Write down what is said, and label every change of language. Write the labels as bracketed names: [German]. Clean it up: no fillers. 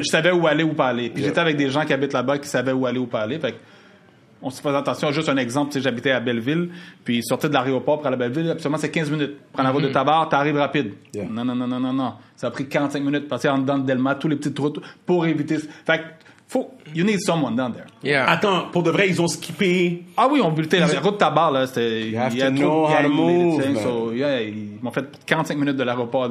[French] Je savais où aller ou pas aller. Puis j'étais avec des gens qui habitent là-bas qui savaient où aller ou pas aller. Fait on se faisait attention. Juste un exemple, j'habitais à Belleville. Puis sortir de l'aéroport pour aller à Belleville, absolument, c'est 15 minutes. Prends la route de Tabard, tu arrives rapide. Non. Ça a pris 45 minutes. Passer en dedans de Delma, toutes les petites routes pour éviter... Fait que, faut, [English] you need someone down there. [French] Yeah. Attends, pour de vrai, ils ont skippé. Ah oui, on butait la route Tabard là. C'était, [English] you have to know how to move. Things, so, yeah, [French] ils m'ont fait 45 minutes de l'aéroport.